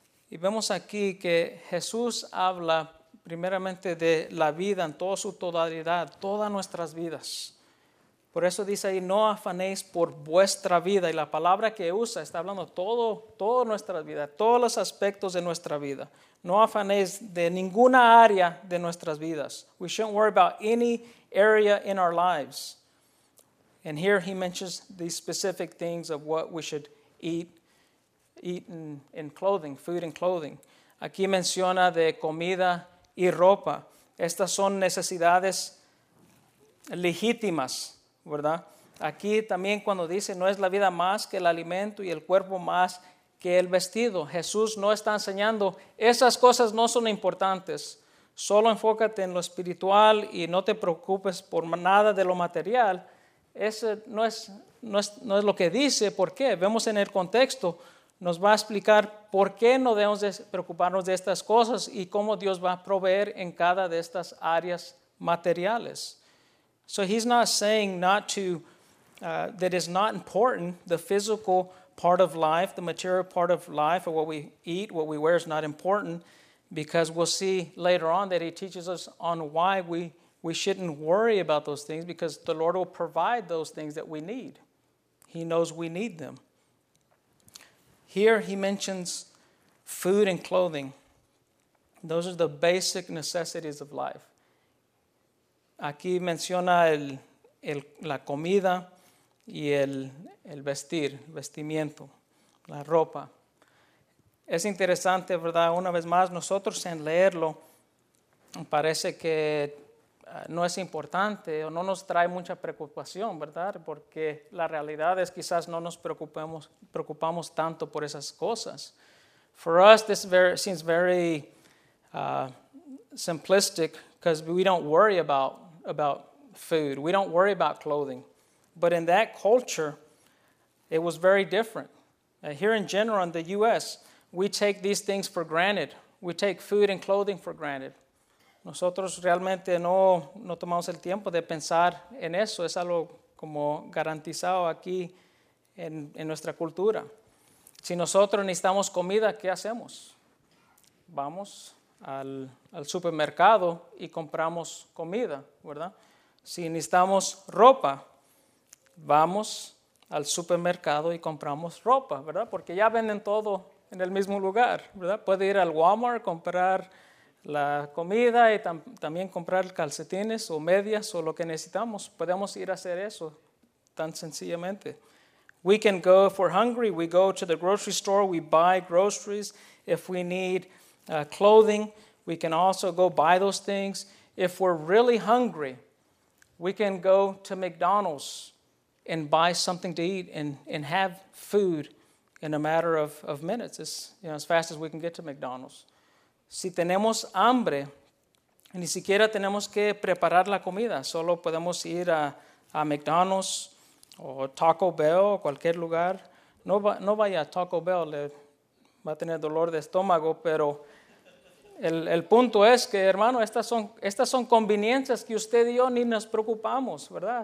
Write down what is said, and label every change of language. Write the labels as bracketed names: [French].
[Spanish] Y vemos aquí que Jesús habla primeramente de la vida en toda su totalidad, todas nuestras vidas. Por eso dice ahí, no afanéis por vuestra vida. Y la palabra que usa está hablando toda nuestra vida, todos los aspectos de nuestra vida. No afanéis de ninguna área de nuestras vidas. [English] We shouldn't worry about any area in our lives. And here he mentions these specific things of what we should eat in clothing, food and clothing. [Spanish] Aquí menciona de comida y ropa. Estas son necesidades legítimas, ¿verdad? Aquí también cuando dice no es la vida más que el alimento y el cuerpo más que el vestido. Jesús no está enseñando esas cosas no son importantes. Solo enfócate en lo espiritual y no te preocupes por nada de lo material. Ese no es lo que dice. ¿Por qué? Vemos en el contexto, nos va a explicar por qué no debemos preocuparnos de estas cosas y cómo Dios va a proveer en cada de estas áreas materiales. [English] So he's not saying that is not important, the physical part of life, the material part of life, or what we eat, what we wear is not important, because we'll see later on that he teaches us on why we shouldn't worry about those things, because the Lord will provide those things that we need. He knows we need them. Here he mentions food and clothing. Those are the basic necessities of life. [Spanish] Aquí menciona la comida y el vestir, vestimiento, la ropa. Es interesante, ¿verdad? Una vez más, nosotros en leerlo, parece que no es importante o no nos trae mucha preocupación, ¿verdad? Porque la realidad es quizás no nos preocupamos tanto por esas cosas. [English] For us, this seems very simplistic because we don't worry about food. We don't worry about clothing. But in that culture, it was very different. Here in general, in the U.S., we take these things for granted. We take food and clothing for granted. [Spanish] Nosotros realmente no tomamos el tiempo de pensar en eso. Es algo como garantizado aquí en nuestra cultura. Si nosotros necesitamos comida, ¿qué hacemos? Vamos al supermercado y compramos comida, ¿verdad? Si necesitamos ropa, vamos al supermercado y compramos ropa, ¿verdad? Porque ya venden todo en el mismo lugar, ¿verdad? Puede ir al Walmart, comprar la comida y también comprar calcetines o medias o lo que necesitamos. Podemos ir a hacer eso tan sencillamente. [English] We can go, if we're hungry, we go to the grocery store, we buy groceries. If we need clothing, we can also go buy those things. If we're really hungry, we can go to McDonald's and buy something to eat and have food in a matter of minutes. It's, you know, as fast as we can get to McDonald's. [Spanish] Si tenemos hambre, ni siquiera tenemos que preparar la comida. Solo podemos ir a McDonald's o Taco Bell o cualquier lugar. No vaya a Taco Bell, le va a tener dolor de estómago, pero el punto es que, hermano, estas son conveniencias que usted y yo ni nos preocupamos, ¿verdad?